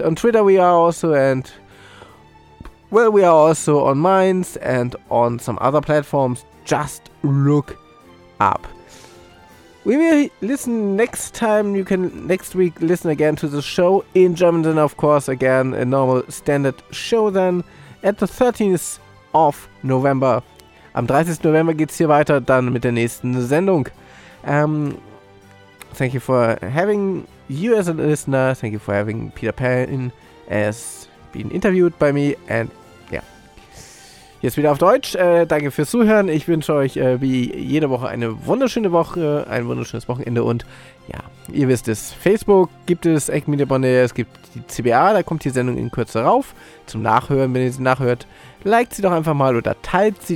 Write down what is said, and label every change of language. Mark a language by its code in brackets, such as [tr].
[en] On Twitter we are also, and well, we are also on Minds and on some other platforms. Just look up. We will listen next time. You can next week listen again to the show in German, then of course again a normal standard show then at the 13th of November. [de] Am 30. November geht's hier weiter dann mit der nächsten Sendung. [en] Thank you for having you as a listener. Thank you for having Peter Payne as being interviewed by me. And yeah. [de] Jetzt wieder auf Deutsch. Danke fürs Zuhören. Ich wünsche euch wie jede Woche eine wunderschöne Woche, ein wunderschönes Wochenende. Und ja, ihr wisst es: Facebook gibt es, AcmeNiponAir, es gibt die CBA. Da kommt die Sendung in Kürze rauf zum Nachhören. Wenn ihr sie nachhört, liked sie doch einfach mal oder teilt sie.